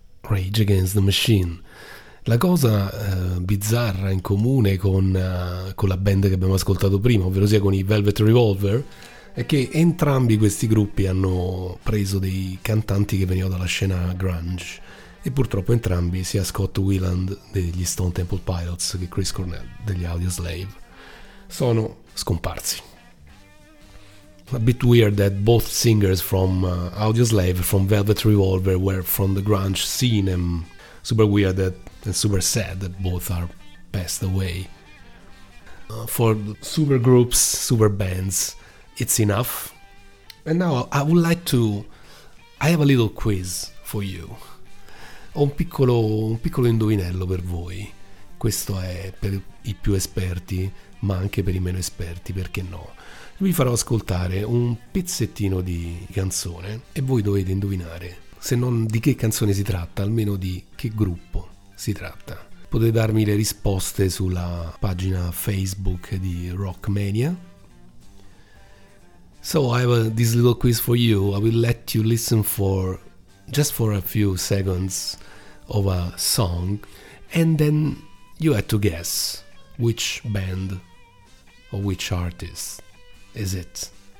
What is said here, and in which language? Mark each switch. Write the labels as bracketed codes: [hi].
[it] Rage Against the Machine. La cosa bizzarra in comune con la band che abbiamo ascoltato prima, ovvero sia con i Velvet Revolver, è che entrambi questi gruppi hanno preso dei cantanti che venivano dalla scena grunge, e purtroppo entrambi, sia Scott Weiland degli Stone Temple Pilots che Chris Cornell degli Audioslave, sono scomparsi. [en] A bit weird that both singers from Audioslave, from Velvet Revolver, were from the grunge scene, and super weird that, and super sad that both are passed away. For super groups, super bands, it's enough. And now I would like to... I have a little quiz for you. [it] Ho un piccolo indovinello per voi. Questo è per i più esperti, ma anche per i meno esperti, perché no? Vi farò ascoltare un pezzettino di canzone e voi dovete indovinare, se non di che canzone si tratta, almeno di che gruppo si tratta. Potete darmi le risposte sulla pagina Facebook di Rockmania. [en] So I have this little quiz for you. I will let you listen for just for a few seconds of a song, and then you have to guess which band or which artist is it.